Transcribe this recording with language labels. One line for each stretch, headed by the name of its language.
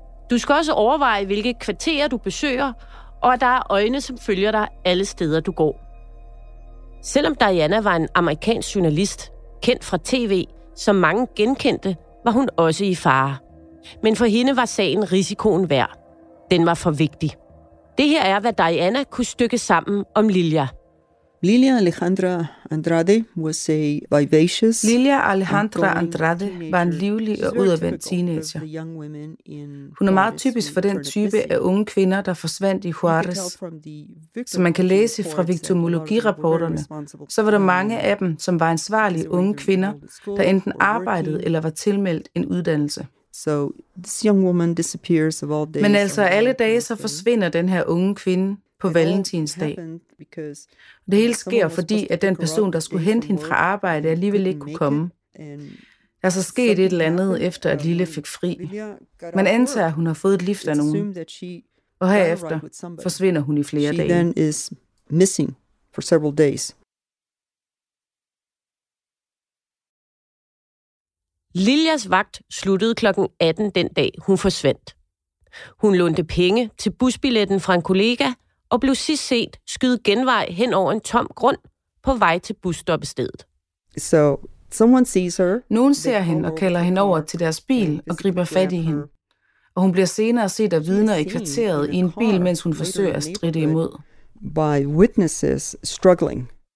Danish: Du skal også overveje, hvilke kvarterer du besøger, og at der er øjne, som følger dig alle steder, du går. Selvom Diana var en amerikansk journalist, kendt fra TV, som mange genkendte, var hun også i fare. Men for hende var sagen risikoen værd. Den var for vigtig. Det her er, hvad Diana kunne stykke sammen om Lilia.
English: Lilia Alejandra Andrade was a vivacious.
Danish: Lilia Alejandra Andrade var en livlig og udadvendt teenager. Hun er meget typisk for den type af unge kvinder, der forsvandt i Juarez. Som man kan læse fra victimologirapporterne, så var der mange af dem, som var ansvarlige unge kvinder, der enten arbejdede eller var tilmeldt en uddannelse.
English: So this young woman disappears of all days.
Danish: Men altså alle dage så forsvinder den her unge kvinde på valentinsdag. Det hele sker, fordi at den person, der skulle hente hende fra arbejde, alligevel ikke kunne komme. Der er så sket et eller andet, efter at Lille fik fri. Man antager, at hun har fået et lift af nogen, og herefter forsvinder hun i flere dage.
English: She then is missing for several days.
Danish: Liljas vagt sluttede kl. 18 den dag, hun forsvandt. Hun lånte penge til busbilletten fra en kollega, og blev sidst set skyde genvej hen over en tom grund på vej til busstoppestedet.
English: So, someone sees her.
Danish: Nogen ser hende og kalder hende over til deres bil og griber fat i hende. Og hun bliver senere set af vidner i kvarteret i en bil, mens hun forsøger at stride imod.
English: By witnesses struggling.